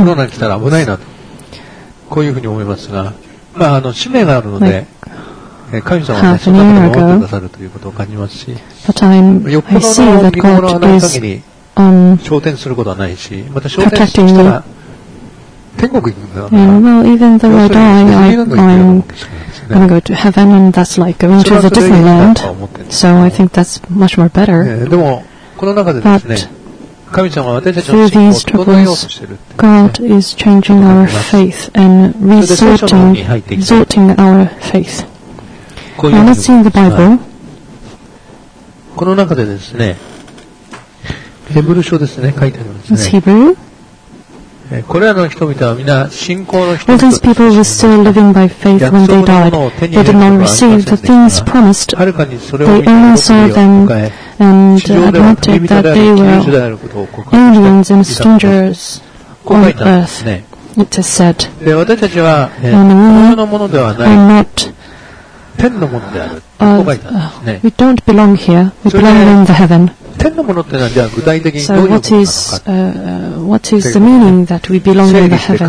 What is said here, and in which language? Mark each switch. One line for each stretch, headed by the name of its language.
Japanese: コロナに来たら危ないなと、こういうふうに思いますが、まあ、使命があるので、like,神様は、ね、その方を守ってくださるということを感じますし、よっぽどの御心がない限り昇天することはないし、また昇天したら天国行くんだから、
English: well, even though I die, I'm going to go to heaven, and that's like going to the different land. So I think that's much more better.
Japanese: でもこの中でですね、神様は私たちの信仰を整えようとしているって、ね、
English: God is changing our faith and resorting our faith.
Japanese: こういうふうに、はい、この中でですね、ヘブル書ですね、書いてありますね。
English: It's Hebrew.
Japanese: これらの人々は皆信仰の人々です。
English: All these people were still living by faith when they died. They did not receive the things promised. They only saw them and admitted that they were aliens and strangers on earth. It is said.
Japanese: で、私たちは、のものではない。天のものであるここがいたんですね。
English: We don't belong here. We belong in the heaven.
Japanese: 天のものってのはじゃあ具体的にどういうものなのか。
English: What is the meaning that we belong in the heaven?